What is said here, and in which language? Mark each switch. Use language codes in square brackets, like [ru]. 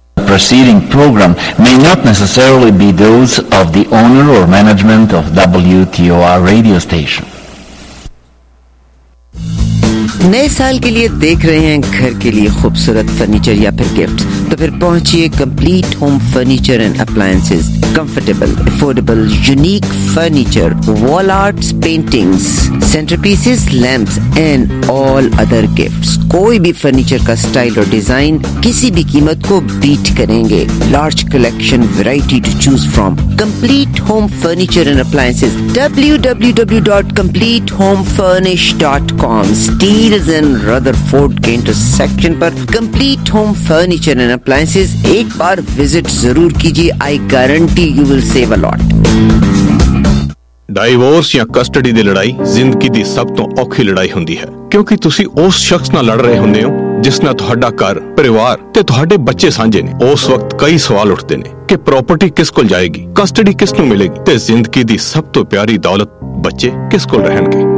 [en] Preceding program may not necessarily be those of the owner or management of WTOR radio station. [ur] نئے سال کے لیے دیکھ رہے ہیں گھر کے لیے خوبصورت فرنیچر یا پھر گفٹ, تو پھر پہنچیے [en] Complete home furniture and appliances, comfortable affordable unique furniture, wall arts, paintings, centre pieces, lamps and all other gifts. [ur] کوئی بھی فرنیچر کا سٹائل اور ڈیزائن کسی بھی قیمت کو بیٹ کریں گے۔ [en] large collection, variety to choose from, complete home furniture and appliances, www.completehomefurnish.com، Steeles and Rutherford [ur] کے intersection per. [en] complete home furniture and appliances, [ur] ایک بار وزٹ ضرور کیجیے، [en] I guarantee you will save a lot. [pa] Diverse یا custody دی لڑائی زندگی دی سب تو اوکھی لڑائی ہوندی ہے، کیونکہ تسی اس شخص نال لڑ رہے ہوندے ہو جس نے تہاڈا گھر، پریوار تے تہاڈے بچے سانجے نے۔ اس وقت کئی سوال اٹھتے نے کہ پراپرٹی کس کول جائے گی، کسٹڈی کس نوں ملے گی، تے زندگی دی سب تو پیاری دولت بچے کس کول رہن گے۔